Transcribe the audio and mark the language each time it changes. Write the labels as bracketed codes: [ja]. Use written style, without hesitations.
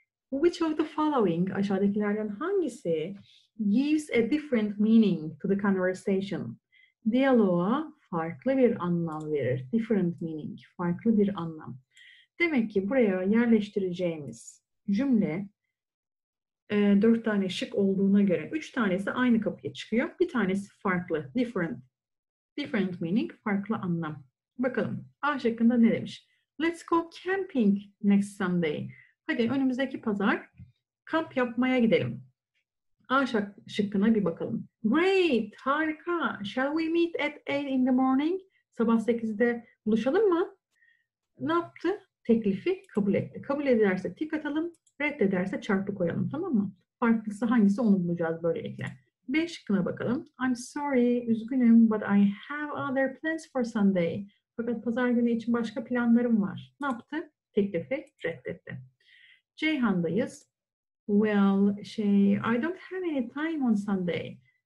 [en] Which of the following [tr] aşağıdakilerden hangisi [en] gives a different meaning to the conversation? [tr] Diyaloğa farklı bir anlam verir. [en] Different meaning, [tr] farklı bir anlam. Demek ki buraya yerleştireceğimiz cümle 4 tane şık olduğuna göre 3 tanesi aynı kapıya çıkıyor. Bir tanesi farklı. Different. Different meaning farklı anlam. Bakalım A şıkkında ne demiş? [en] Let's go camping next Sunday. [tr] Hadi önümüzdeki pazar kamp yapmaya gidelim. A şıkkına bir bakalım. [en] Great, harika. Shall we meet at 8 in the morning? [tr] Sabah 8'de buluşalım mı? Ne yaptı? Teklifi kabul etti. Kabul ederse tik atalım, reddederse çarpı koyalım, tamam mı? Farklısı hangisi onu bulacağız böylelikle. B şıkkına bakalım. [en] I'm sorry, üzgünüm, but I have other plans for Sunday. [tr] Fakat pazar günü için başka planlarım var. Ne yaptı? Teklifi reddetti. Ceyhan'dayız. [en] Well, I don't have any time on Sunday.